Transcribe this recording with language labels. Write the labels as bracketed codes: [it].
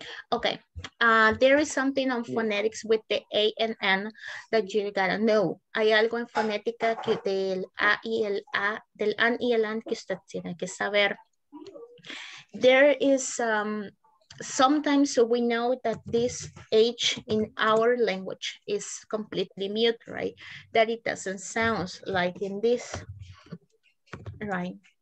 [en] Okay, there is something on phonetics with the A and N that you gotta know. [es] Hay algo en fonética que del A y el A, del AN y el AN que usted tiene que saber. [en] There is, sometimes we know that this H in our language is completely mute, right? That it doesn't sound like in this, right?